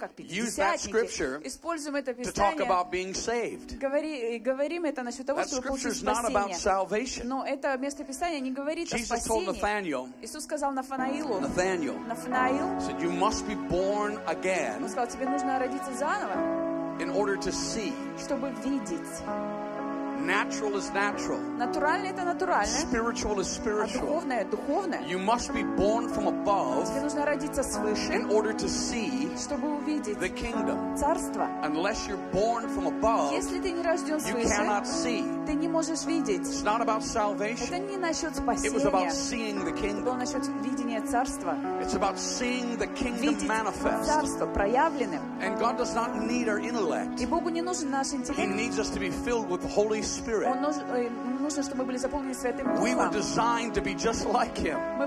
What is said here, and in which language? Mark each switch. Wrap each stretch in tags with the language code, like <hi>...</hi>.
<en>use that scripture to talk about being saved.</en> <ru>Говорим это насчет того, чтобы получить спасение.</ru> <en>That scripture is not about salvation.</en> <ru>Но это место писания не говорит о спасении.</ru> <en>Jesus told Nathanael.</en> <ru>Иисус сказал Нафанаилу.</ru> <en>Nathanael.</en> <ru>Нафанаил.</ru> <en>Said you must be born again.</en> <ru>Он сказал, тебе нужно родиться заново.</ru> <en>In order to see.</en> <ru>Чтобы видеть.</ru> <en>Natural is natural.</en> <ru>Натуральное это натуральное.</ru> <en>Spiritual is spiritual.</en> <ru>А духовное духовное.</ru> <en>You must be born from above.</en> <ru>Тебе нужно родиться свыше.</ru> <en>In order to see.</en> <ru>Чтобы увидеть.</ru> <en>The kingdom.</en> <ru>Царство.</ru> <en>Unless you're born from above.</en> <ru>Если ты не рожден свыше.</ru> <en>You cannot see.</en> <ru>Ты не можешь видеть.</ru> <en>It's not about salvation.</en> <ru>Это не насчет спасения.</ru> <en>It was about seeing the kingdom.</en> <ru>Было насчет видения царства.</ru> <en>It's about seeing the kingdom</en> <ru>видеть</ru> <en>manifest.</en> <ru>Царство проявленным.</ru> <en>And God does not need our intellect.</en> <ru>И Богу не нужен наш интеллект.</ru> <en>He needs us to be filled with the Holy Spirit. We were designed to be just like him.</en>